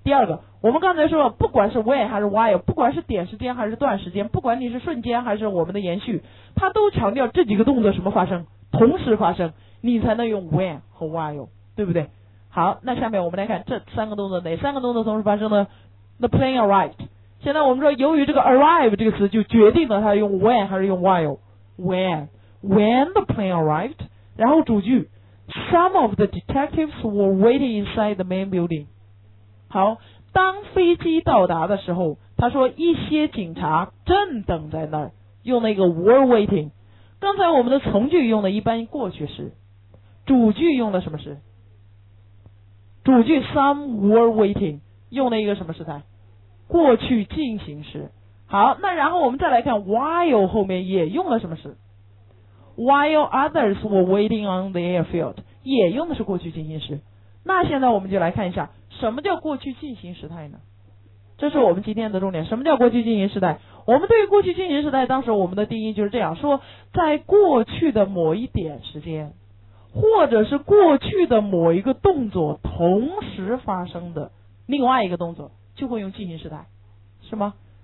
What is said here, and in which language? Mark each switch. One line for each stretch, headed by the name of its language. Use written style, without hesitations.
Chinese: 第二个，我们刚才说，不管是 when 还是 why， 不管是点时间还是段时间，不管你是瞬间还是我们的延续，他都强调这几个动作什么发生，同时发生，你才能用 when 和 why， 对不对？好，那下面我们来看这三个动作，哪三个动作同时发生呢？
English: The plane arrived。
Chinese: 现在我们说，由于这个 arrive 这个词就决定了它用 when 还是用 while。
English: When the plane arrived，
Chinese: 然后主句，
English: Some of the detectives were waiting inside the main building。
Chinese: 好，当飞机到达的时候，他说一些警察正等在那儿，用那个
English: were waiting。
Chinese: 刚才我们的从句用的一般过去式，主句用的什么式？主句
English: some were waiting
Chinese: 用了一个什么时态？过去进行时。好，那然后我们再来看 while 后面也用了什么时？
English: While others were waiting on the airfield
Chinese: 也用的是过去进行时。那现在我们就来看一下什么叫过去进行时态呢？这是我们今天的重点。什么叫过去进行时态？我们对于过去进行时态，当时我们的定义就是这样说，在过去的某一点时间，或者是过去的某一个动作同时发生的另外一个动作，就会用进行时态，是吗？